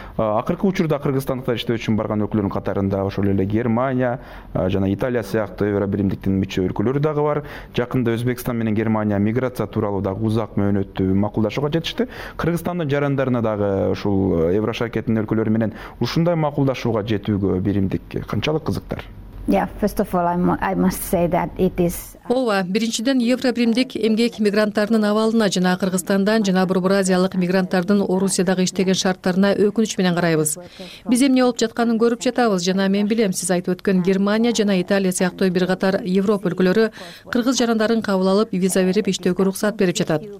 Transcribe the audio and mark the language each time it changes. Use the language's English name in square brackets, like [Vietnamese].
[Kyrgyz] Акыркы учурда кыргызстандыктар иштөө үчүн барган өлкөлөрдүн катарында ошол эле Германия жана Италия сыяктуу Евробиримдиктин мүчө өлкөлөрү дагы бар. Жакында Өзбекстан менен Германия миграция тууралуу дагы узак мөөнөттү макулдашууга жетишти. Кыргызстандын жарандарына дагы ушул Еврошакеттин өлкөлөрү менен ушундай макулдашууга жетүүгө биримдик канчалык кызыктар? [English] Yeah, first of all, I must say that it is. [Kyrgyz] Ооба, биринчиден Евробиримдик эмгек мигранттарынын абалына жана Кыргызстандан жана Борбор Азиялык мигранттардын Орусиядагы иштеген шарттарына өкүнүч менен карайбыз. Биз эмне болуп жатканын көрүп жатабыз жана мен билем, сиз айтып өткөн Германия жана Италия сыяктуу бир катар Европа өлкөлөрү кыргыз жарандарын кабыл алып, виза берип иштөөгө уруксат берип жатат.